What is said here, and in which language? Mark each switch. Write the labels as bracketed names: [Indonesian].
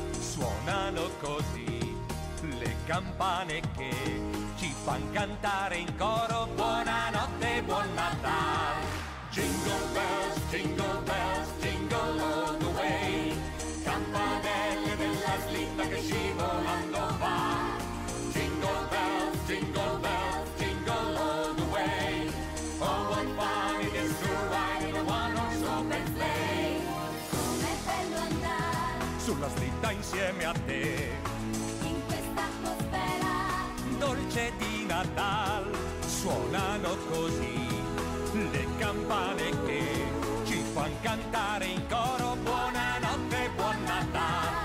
[Italian] Suonano così le campane che ci fan cantare in coro: buonanotte, buon Natale. [English] Jingle bells, jingle bells, jingle all the way, [Italian] campanelle della slitta che scivolando va. [English] Jingle bells, jingle bells, jingle all the way, oh what fun it is to ride in a one-horse open sleigh. [Italian] Com'è bello andare sulla slitta insieme a te, in questa atmosfera dolce di Natale. Suonano così le campane che ci fan cantare in coro: buonanotte, buon Natale.